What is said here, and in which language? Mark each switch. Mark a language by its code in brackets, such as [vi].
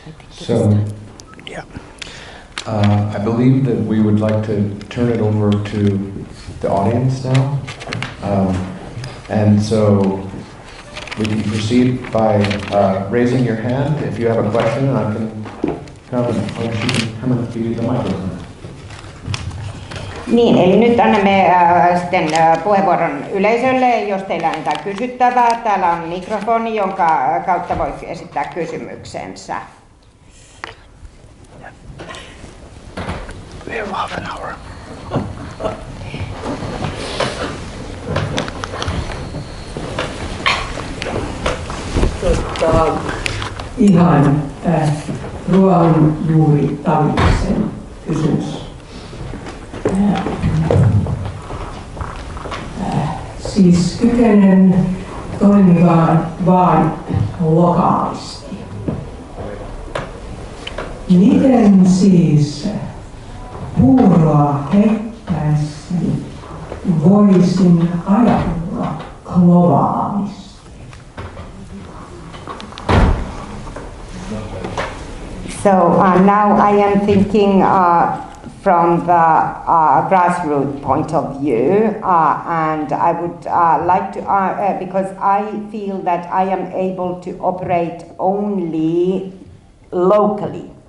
[en] So, I believe that we would like to turn it over to the audience now. And so we can proceed by raising your hand if you have a question, and I can come and give you the microphone. [fi] Niin, eli nyt annamme sitten puheenvuoron yleisölle, jos teillä on jotain kysyttävää. Täällä on mikrofoni, jonka kautta voi esittää kysymyksensä. [en] We have half an hour. [fi] Ihan ruoanjuuri Tavisen kysymys. Siis kykenen toimimaan vain lokaalisti. Miten siis puuroa heittäessä voisin ajatella globaalisti? [en] So now I am thinking from the grassroots point of view, and I would like to, because I feel that I am able to operate only locally,